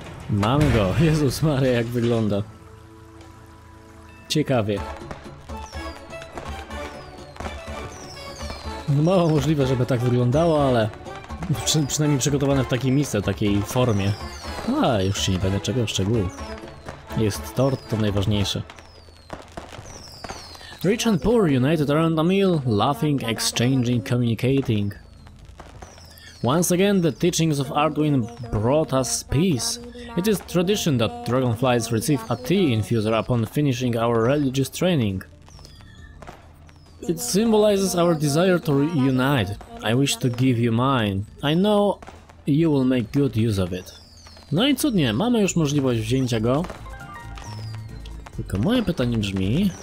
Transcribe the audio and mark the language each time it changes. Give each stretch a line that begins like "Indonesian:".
Polish: Mamy go. Jezus Maria, jak wygląda. Ciekawie. No mało możliwe, żeby tak wyglądało, ale przynajmniej przygotowane w takiej misce, w takiej formie. A, już się nie będę czego szczegółów. Jest tort, to najważniejsze.
English: Rich and poor united around a meal, laughing, exchanging, communicating. Once again, the teachings of Arduin brought us peace. It is tradition that dragonflies receive a tea infuser upon finishing our religious training. It symbolizes our desire to reunite. I wish to give you mine. I know you will make good use of it.
Polish: No i cudnie, mamy już możliwość wzięcia go. Tylko moje pytanie brzmi...